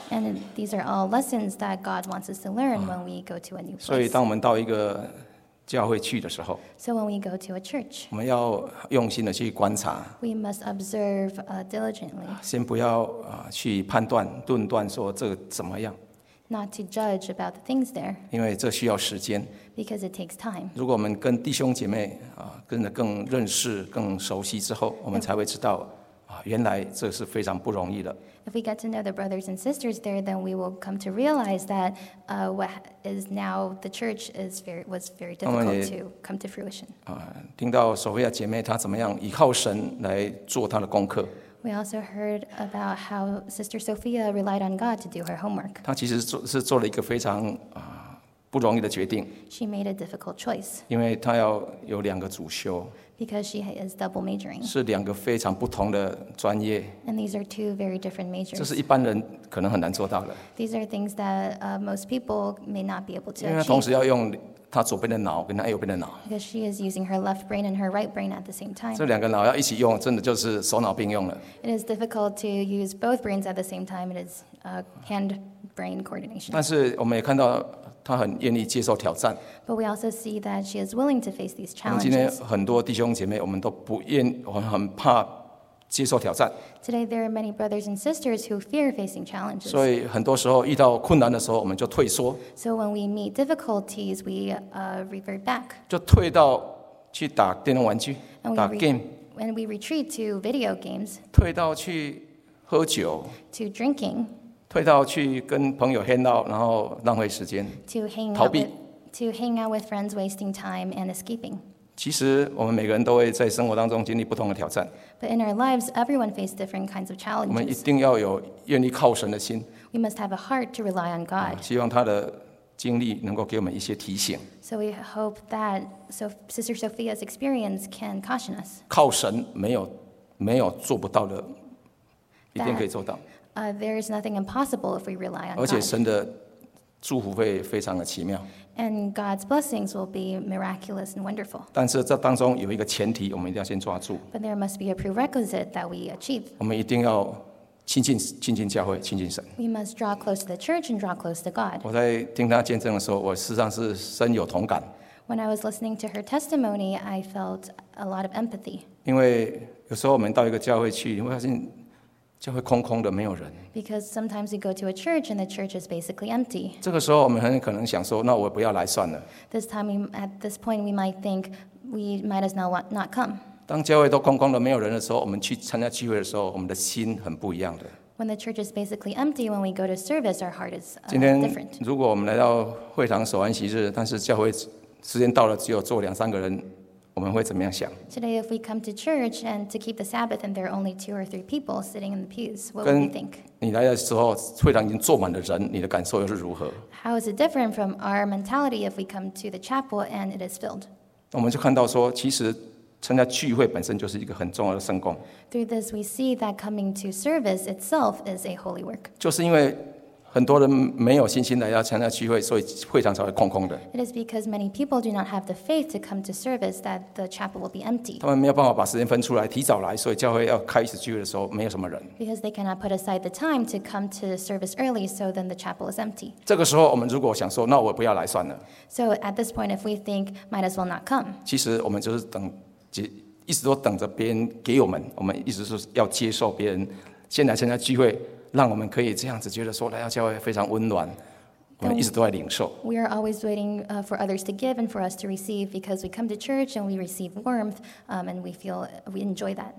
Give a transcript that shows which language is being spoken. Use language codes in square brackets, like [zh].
[en] And these are all lessons that God wants us to learn when we go to a new place. [zh] 所以当我们到一个教会去的时候， [en] So when we go to a church, [zh] 我们要用心的去观察。 [en] We must observe diligently. [zh] 先不要去判断、论断说这怎么样。 [en] Not to judge about the things there. [zh] 因为这需要时间。 [en] Because it takes time. [zh] 如果我们跟弟兄姐妹跟着更认识、更熟悉之后，我们才会知道。原来这是非常不容易的。 [en] If we get to know the brothers and sisters there, then we will come to realize that what is now the church is very, was very difficult to come to fruition. [zh] 听到索菲亚姐妹她怎么样依靠神来做她的功课。 [en] We also heard about how Sister Sophia relied on God to do her homework. [zh] 她其实是做了一个非常不容易的决定。 [en] She made a difficult choice. [zh] 因为她要有两个主修。 [en] Because she is double majoring. [zh] 是两个非常不同的专业。 [en] And these are two very different majors. [zh] 这是一般人可能很难做到的。 [en] These are things that most people may not be able to achieve. [zh] 因为同时要用她左边的脑跟她右边的脑。 [en] Because she is using her left brain and her right brain at the same time. [zh] 这两个脑要一起用，真的就是手脑并用了。 [en] It is difficult to use both brains at the same time. It is hand-brain coordination. [zh] 但是我们也看到他很愿意接受挑战。 [en] But we also see that she is willing to face these challenges. [zh] 今天很多弟兄姐妹，我们都不愿，我们很怕接受挑战。 [en] Today there are many brothers and sisters who fear facing challenges. [zh] 所以很多时候遇到困难的时候，我们就退缩。 [en] So when we meet difficulties, we revert back. [zh] 就退到去打电动玩具，打 game. [en] And we retreat to video games. [zh] 退到去喝酒。 [en] To drinking. [zh] 退到去跟朋友 hang out， 然后浪费时间，逃避。 [en] To hang out with friends, wasting time and escaping. [zh] 其实我们每个人都会在生活当中经历不同的挑战。 [en] But in our lives, everyone faces different kinds of challenges. [zh] 我们一定要有愿意靠神的心。 [en] We must have a heart to rely on God. [zh] 希望他的经历能够给我们一些提醒。 [en] So we hope that Sister Sophia's experience can caution us. [zh] 靠神没有做不到的，一定可以做到。 [en] There is nothing impossible if we rely on God. [zh] 而且神的祝福会非常的奇妙。 [en] And God's blessings will be miraculous and wonderful. [zh] 但是这当中有一个前提，我们一定要先抓住。 [en] But there must be a prerequisite that we achieve. [zh] 我们一定要亲近教会，亲近神。 [en] We must draw close to the church and draw close to God. [zh] 我在听他见证的时候，我事实上是深有同感。 [en] When I was listening to her testimony, I felt a lot of empathy. [zh] 因为有时候我们到一个教会去，你会发现。教会空空的，没有人。 [en] Because sometimes we go to a church and the church is basically empty. [zh] 这个时候我们很可能想说，那我不要来算了。 [en] This time, at this point, we might think we might as well not come. [zh] 当教会都空空的，没有人的时候，我们去参加聚会的时候，我们的心很不一样的。 [en] When the church is basically empty, when we go to service, our heart is different. [zh] 今天如果我们来到会堂守安息日，但是教会时间到了，只有坐两三个人。我们会怎么样想 [en] ？Today, if we come to church and to keep the Sabbath, and there are only two or three people sitting in the pews, what would we think? [zh] 你来的时候，会堂已经坐满了人，你的感受又是如何 [en] ？How is it different from our mentality if we come to the chapel and it is filled? [zh] 我们就看到说，其实参加聚会本身就是一个很重要的圣工。 [en] Through this, we see that coming to service itself is a holy work. [zh] 就是因为。很多人没有信心来要参加聚会，所以会场才会空空的。 [en] It is because many people do not have the faith to come to service that the chapel will be empty. [zh] 他们没有办法把时间分出来，提早来，所以教会要开始聚会的时候没有什么人。 [en] Because they cannot put aside the time to come to service early, so then the chapel is empty. [zh] 这个时候，我们如果想说，那我不要来算了。 [en] So at this point, if we think might as well not come. [zh] 其实我们就是等，一直都等着别人给我们，我们一直是要接受别人先来参加聚会。让我们可以这样子觉得说来到教会非常温暖，我们一直都在领受。 [en] We are always waiting for others to give and for us to receive because we come to church and we receive warmth, and we feel we enjoy that.